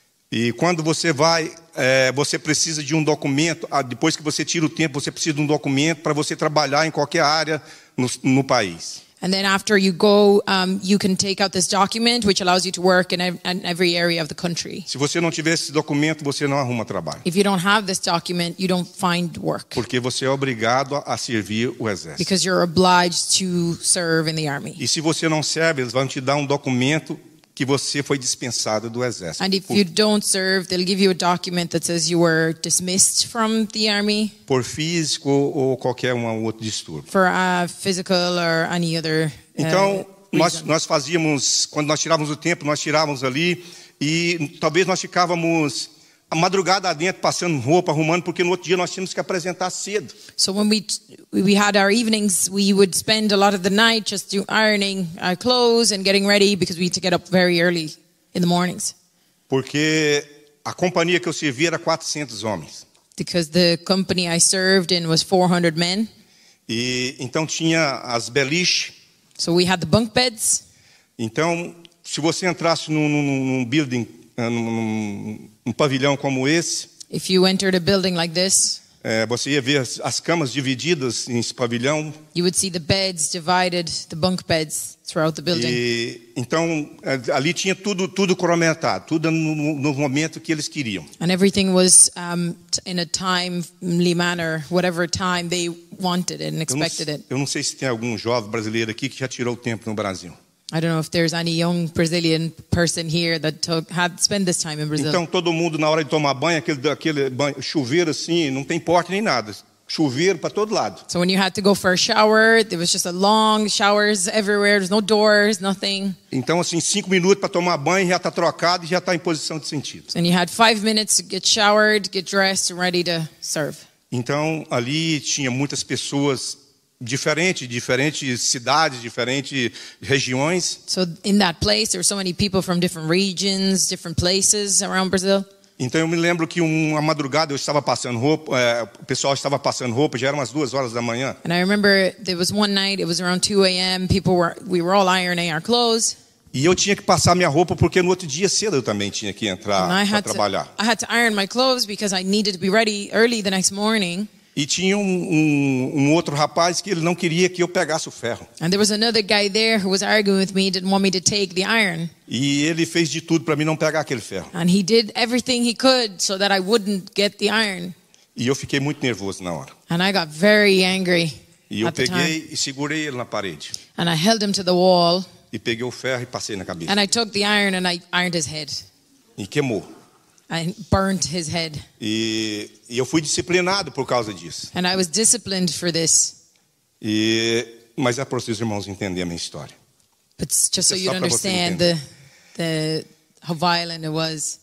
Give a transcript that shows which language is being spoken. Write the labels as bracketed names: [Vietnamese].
[Portuguese] E quando você vai, você precisa de um documento, depois que você tira o tempo, você precisa de um documento para você trabalhar em qualquer área no país. [English] And then after you go, you can take out this document, which allows you to work in every area of the country. [Portuguese] Se você não tiver esse documento, você não arruma trabalho. [English] If you don't have this document, you don't find work. [Portuguese] Porque você é obrigado a servir o exército. [English] Because you're obliged to serve in the army. [Portuguese] E se você não serve, eles vão te dar um documento que você foi dispensado do exército. [English] And if you don't serve, they'll give you a document that says you were dismissed from the army. [Portuguese] Por físico ou qualquer um outro distúrbio. [English] For a physical or any other reason. [Portuguese] Então, nós fazíamos, quando nós tirávamos o tempo, nós tirávamos ali e talvez nós ficávamos a madrugada adentro passando roupa, arrumando, porque no outro dia nós tínhamos que apresentar cedo. [English] So when we had our evenings, we would spend a lot of the night just ironing our clothes and getting ready because we had to get up very early in the mornings. [Portuguese] Porque a companhia que eu servia era 400 homens. [English] Because the company I served in was 400 men. [Portuguese] E então tinha as beliches. [English] So we had the bunk beds. [Portuguese] Então, se você entrasse num building, num pavilhão como esse, [English] if you entered a building like this, [Portuguese] Você ia ver as camas divididas em esse pavilhão. [English] You would see the beds divided, the bunk beds throughout the building. [Portuguese] E, então, ali tinha tudo cronometrado, tudo no momento que eles queriam. [English] And everything was in a timely manner, whatever time they wanted and expected it. [Portuguese] Eu não sei se tem algum jovem brasileiro aqui que já tirou o tempo no Brasil. [English] I don't know if there's any young Brazilian person here that had spent this time in Brazil. [Portuguese] Então todo mundo na hora de tomar banho, aquele banho, chuveiro assim, não tem porta nem nada. Chuveiro para todo lado. [English] So when you had to go for a shower, there was just a long showers everywhere, there's no doors, nothing. [Portuguese] Então assim, 5 minutos para tomar banho já tá trocado e já tá em posição de sentido. [English] And you had 5 minutes to get showered, get dressed, ready to serve. [Portuguese] Então ali tinha muitas pessoas diferentes cidades, diferentes regiões. [English] So in that place there were so many people from different regions, different places around Brazil. [Portuguese] Então eu me lembro que uma madrugada eu estava passando roupa, o pessoal estava passando roupa, já eram umas 2 horas da manhã. [English] And I remember there was one night, it was around 2 a.m. we were all ironing our clothes. [Portuguese] E eu tinha que passar minha roupa porque no outro dia cedo eu também tinha que entrar para trabalhar. [English] I had to iron my clothes because I needed to be ready early the next morning. [Portuguese] E tinha um outro rapaz que ele não queria que eu pegasse o ferro. [English] And there was another guy there who was arguing with me, didn't want me to take the iron. [Portuguese] E ele fez de tudo para mim não pegar aquele ferro. [English] And he did everything he could so that I wouldn't get the iron. [Portuguese] E eu fiquei muito nervoso na hora. [English] And I got very angry. [Portuguese] E eu peguei e segurei ele na parede. [English] And I held him to the wall. [Portuguese] E peguei o ferro e passei na cabeça. [English] And I took the iron and I ironed his head. [Portuguese] E queimou. [English] I burnt his head. [Portuguese] E eu fui disciplinado por causa disso. [English] And I was disciplined for this. [Portuguese] Mas é para os irmãos entenderem a minha história. [English] But just so you understand the how violent it was.